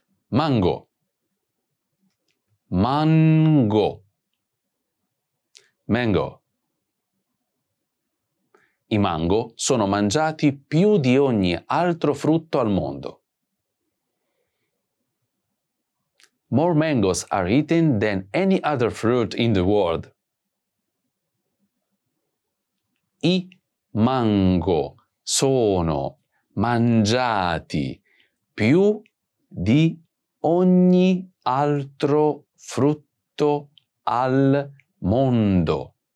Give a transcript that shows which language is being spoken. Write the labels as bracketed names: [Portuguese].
[Italian] Mango. Mango. Mango. I mango sono mangiati più di ogni altro frutto al mondo. [English] More mangoes are eaten than any other fruit in the world. [Italian] I mango sono mangiati più di ogni altro frutto al mondo.